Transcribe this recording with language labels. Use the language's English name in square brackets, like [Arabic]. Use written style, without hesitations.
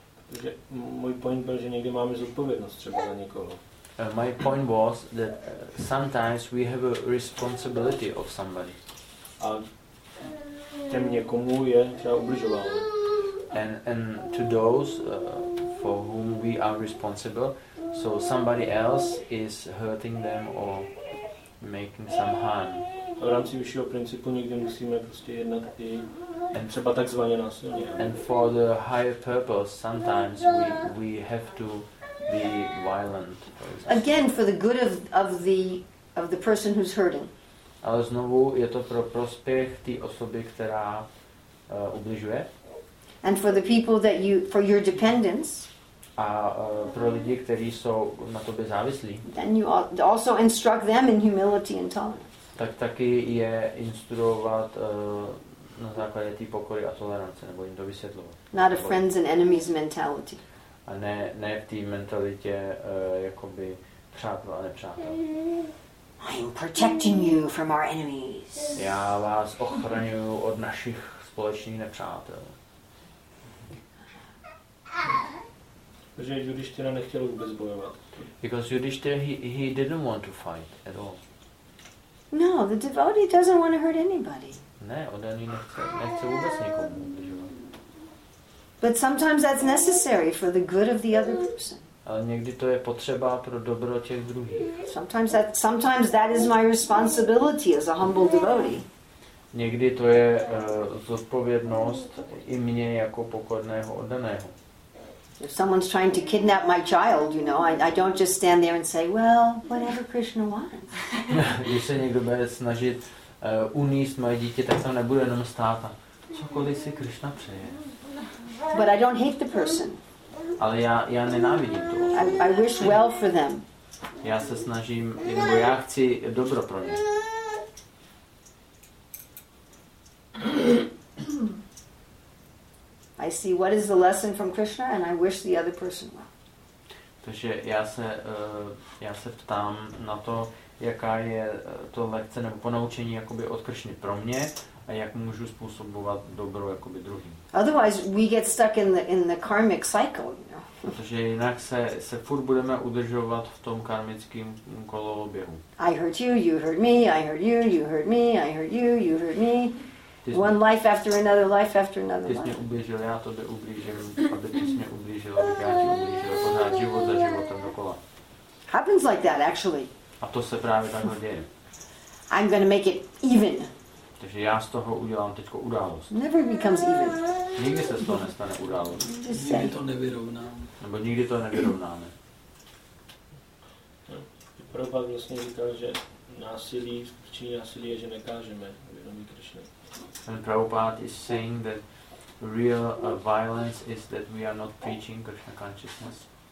[Czech] Takže můj point byl, že někdy máme zodpovědnost třeba za někoho. [English] My point was that sometimes we have a responsibility of somebody. [Czech] A těm někomu je třeba ublížoval. [English] And to those for whom we are responsible, so somebody else is hurting them or making some harm. [Czech] A v rámci vyššího principu někdy musíme prostě jednat i třeba takzvaně násilně. [English] And for the higher purpose, sometimes we have to be violent. Again, for the good of the person who's hurting. [Czech] Ale znovu je to pro prospěch té osoby, která ubližuje. [English] And for the people that you for your dependents. [Czech] A pro lidi, kteří jsou na tobě závislí. [English] Then you also instruct them in humility and tolerance. [Czech] Tak taky je instruovat na základě té pokory a tolerance, nebo jim to vysvětlovat. [English] Not a friends and enemies mentality. [Czech] A ne v té mentalitě jakoby přátel a nepřátel. [English] I am protecting you from our enemies. [Czech] Já vás ochraňuji od našich společných nepřátel. Takže Yudhishthira nechtěl vůbec bojovat. [English] Because Yudhishthira he didn't want to fight at all. No, the devotee doesn't want to hurt anybody. [Czech] Ne, on ani nechce vůbec nikomu ublížit. [English] But sometimes that's necessary for the good of the other person. [Czech] Ale někdy to je potřeba pro dobro těch druhých. [English] Sometimes that is my responsibility as a humble devotee. [Czech] Někdy to je zodpovědnost i mě jako pokorného oddaného. [English] If someone's trying to kidnap my child, you know, I don't just stand there and say, well, whatever Krishna wants. [Czech] Když se někdo bude snažit uníst moje dítě, tak tam nebude jenom stát a cokoliv si Krishna přeje. [English] But I don't hate the person. [Czech] Ale já nenávidím to. [English] I wish well for them. [Czech] Já se snažím, nebo já chci dobro pro ně. [English] I see what is the lesson from Krishna and I wish the other person well. [Czech] Takže já se ptám na to, jaká je to lekce nebo ponaučení jakoby od Krishny pro mě a jak můžu způsobovat dobro jakoby druhým. [English] Otherwise we get stuck in the karmic cycle, you know. [Czech] Protože jinak se furt budeme udržovat v tom karmickém koloběhu. [English] I hurt you, you hurt me, I hurt you, you hurt me, I hurt you, you hurt me. One life after another, life after another. [Czech] Ty jsi mě ublížil, já tobě ublížím, aby ty jsi mě ublížil, aby já ti ublížil, pořád život za životem dokola. [English] Happens like that, actually. [Czech] A to se právě takhle děje. [English] I'm gonna make it even. [Czech] Takže já z toho udělám teďko událost. [English] Never becomes even. [Czech] Nikdy se z toho nestane událost. Nikdy to nevyrovnáme. Nebo nikdy to nevyrovnáme. Prabhupada vlastně říkal, že násilí, skutečný násilí je, že nekážeme vědomí Krishna. [English] And Prabhupada is saying that real violence is that we are not preaching Krishna consciousness.